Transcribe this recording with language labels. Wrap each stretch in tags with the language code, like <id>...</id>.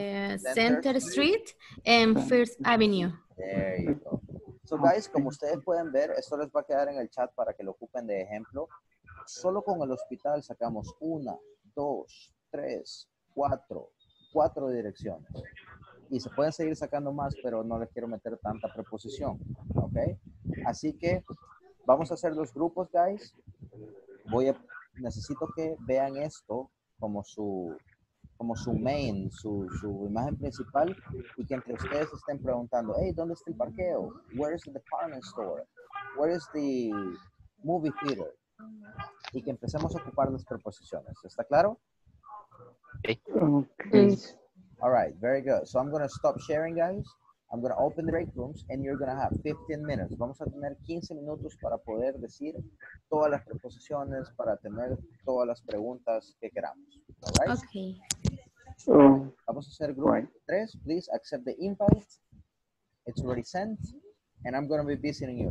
<en>On the corner of Center Street and First Avenue. There you go.</en> <es>So guys, como ustedes pueden ver, esto les va a quedar en el chat para que lo ocupen de ejemplo. Solo con el hospital sacamos una, dos, tres, cuatro direcciones. Y se pueden seguir sacando más, pero no les quiero meter tanta preposición, ¿ok? Así que Vamos a hacer dos grupos, guys. Voy a, necesito que vean esto como su main, su, su imagen principal, y que entre ustedes estén preguntando, hey, ¿dónde está el parqueo?</es> <en>Where is the department store? Where is the movie theater?</en> <es>Y que empecemos a ocupar las preposiciones. ¿Está claro?</es> <en>Okay. All right, very good. So I'm going to stop sharing, guys. I'm going to open the break rooms, and you're going to have 15 minutes.</en> <es>Vamos a tener 15 minutos para poder decir todas las preposiciones, para tener todas las preguntas que queramos.</es> <en>All right? Okay.</en> <es>Vamos a hacer</es> <en>group tres. Please accept the invite. It's already sent. And I'm going to be visiting you.</en>